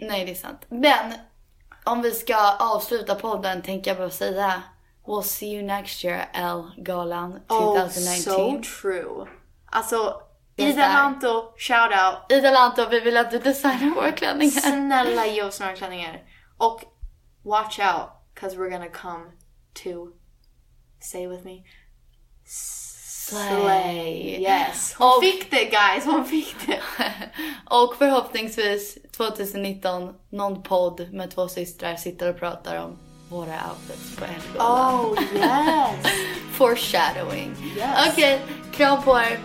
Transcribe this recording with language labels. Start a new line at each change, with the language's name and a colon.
Swedish: Nej, det är sant. Men om vi ska avsluta podden tänker jag bara säga,
English: we'll see you next year,
Swedish: Elle-galan 2019.
English: Oh, so true.
Swedish: Alltså, Ida Lanto, shout out. Ida Lanto, vi vill att du designar våra klänningar. Snälla, ge oss några klänningar.
English: Och watch out, because we're gonna come to, say with me, slay.
Swedish: Yes, hon och, fick det, guys, hon fick det. Och förhoppningsvis 2019, någon podd med två systrar sitter och pratar om våra outfits på en gång.
English: Oh, yes. Foreshadowing. Yes.
Swedish: Okej, kram på er.